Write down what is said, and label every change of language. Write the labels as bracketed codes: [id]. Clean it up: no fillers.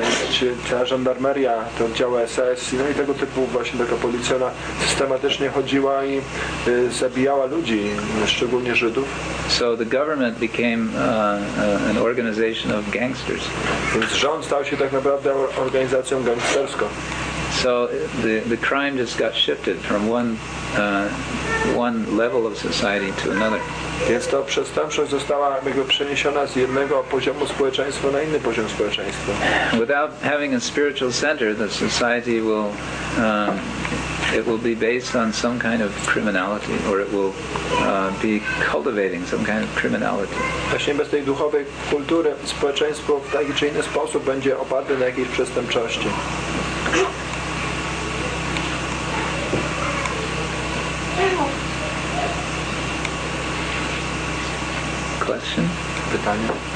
[pl] Gdzie ta żandarmeria, to oddział SS, no i tego typu właśnie taka policja, ona systematycznie chodziła i zabijała ludzi, szczególnie Żydów. [en] So the government became an organization of gangsters. [pl] Więc rząd stał się tak naprawdę organizacją gangsterską. [en] So the crime just got shifted from one level of society to another. [pl] Więc ta przestępczość została jakby przeniesiona z jednego poziomu społeczeństwa na inny poziom społeczeństwa. [en] Without having a spiritual center, the society will it will be based on some kind of criminality, or it will be cultivating some kind of criminality. [pl] Właśnie bez tej duchowej kultury społeczeństwo w taki czy inny sposób będzie oparte na jakiejś przestępczości. Pytanie.